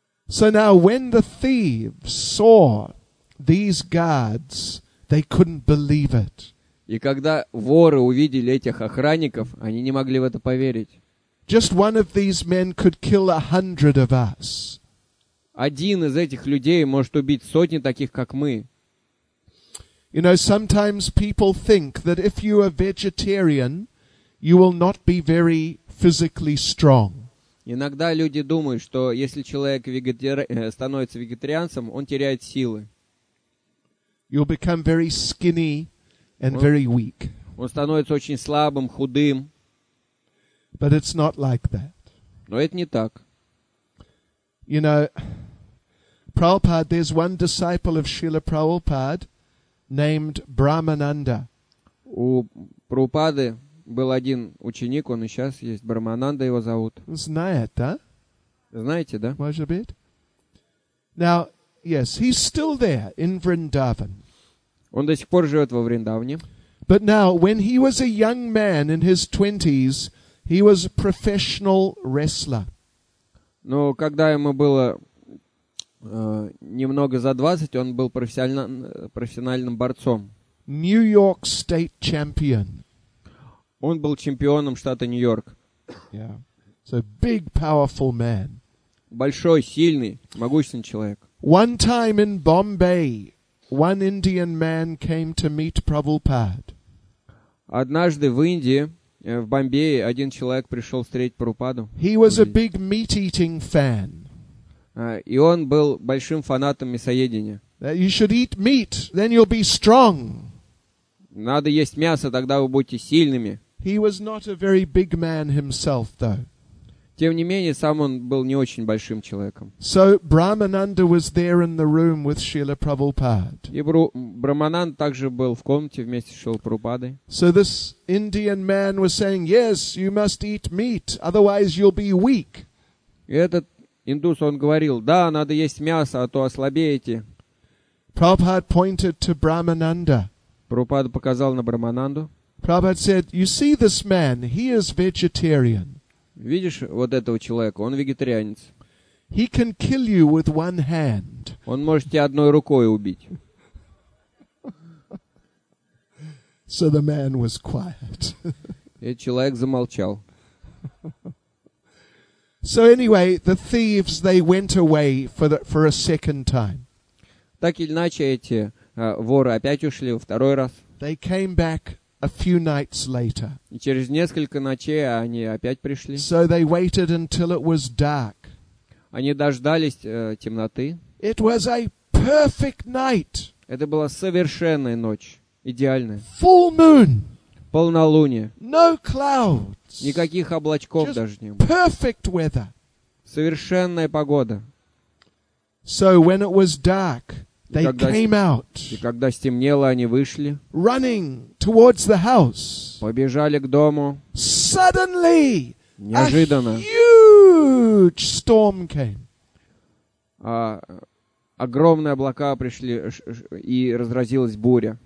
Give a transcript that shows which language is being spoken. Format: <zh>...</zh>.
<en>So now when the thieves saw these guards, they couldn't believe it.</en> <ru>И когда воры увидели этих охранников, они не могли в это поверить.</ru> <en>Just one of these men could kill 100 of us.</en> <ru>Один из этих людей может убить сотни таких, как мы.</ru> <en>You know, sometimes people think that if you are vegetarian, you will not be very physically strong.</en> <ru>Иногда люди думают, что если человек становится вегетарианцем, он теряет силы.</ru> <en>You'll become very skinny and very weak.</en> <ru>Он становится очень слабым, худым.</ru> <en>But it's not like that.</en> <ru>Но это не так.</ru> <en>You know, Prabhupada, there's one disciple of Srila Prabhupada named Brahmananda.</en> <ru>У Прабхупады был один ученик, он и сейчас есть, Брахмананда его зовут. Знает, да? Знаете, да? Может быть.</ru> <en>Now, yes, he's still there in Vrindavan.</en> <ru>Он до сих пор живет во Вриндаване.</ru> <en>But now, when he was a young man in his 20s, he was a professional wrestler.</en> <ru>Но когда ему было немного за 20, он был профессиональным борцом.</ru> <en>New York State Champion.</en> <ru>Он был чемпионом штата Нью-Йорк.</ru> <en>Yeah. So big, powerful man.</en> <ru>Большой, сильный, могущественный человек.</ru> <en>One time in Bombay, one Indian man came to meet Prabhupada.</en> <ru>Однажды в Индии, в Бомбее, один человек пришел встретить Прабхупаду.</ru> <en>He was a big meat-eating fan.</en> <ru>И он был большим фанатом мясоедения.</ru> <en>You should eat meat, then you'll be strong.</en> <ru>Надо есть мясо, тогда вы будете сильными.</ru> <en>He was not a very big man himself, though.</en> <ru>Тем не менее, сам он был не очень большим человеком.</ru> <en>So Brahmananda was there in the room with Srila Prabhupada.</en> <ru>И Брахмананд также был в комнате вместе с Шрилой Прабхупадой.</ru> <en>So this Indian man was saying, "Yes, you must eat meat, otherwise you'll be weak."</en> <ru>И этот индус, он говорил, да, надо есть мясо, а то ослабеете.</ru> <en>Prabhupada pointed to Brahmananda.</en> <ru>Прабхупада показал на Брахмананду.</ru> <en>Prabhupada said, "You see this man? He is vegetarian."</en> <ru>Видишь вот этого человека? Он вегетарианец.</ru> <en>He can kill you with one hand.</en> <ru>Он может тебя одной рукой убить.</ru> <en>So the man was quiet.</en> <ru>И человек замолчал.</ru> <en>So anyway, the thieves, they went away for a second time.</en> <ru>Так или иначе, эти воры опять ушли во второй раз.</ru> <en>They came back a few nights later.</en> <ru>И через несколько ночей они опять пришли.</ru> <en>So they waited until it was dark.</en> <ru>Они дождались темноты.</ru> <en>It was a perfect night.</en> <ru>Это была совершенная ночь, идеальная.</ru> <en>Full moon.</en> <ru>Полнолуние.</ru> <en>No clouds.</en> <ru>Никаких облачков</ru> <en>just</en> <ru>даже не было.</ru> <en>Perfect weather.</en> <ru>Совершенная погода.</ru> <en>So when it was dark, they came out.</en> <ru>И когда стемнело, они вышли.</ru> <en>Running towards the house.</en> <ru>Побежали к дому.</ru> <en>Suddenly,</en> <ru>неожиданно,</ru> <en>a huge storm came.</en> <ru>Огромные облака пришли, и разразилась буря.</ru>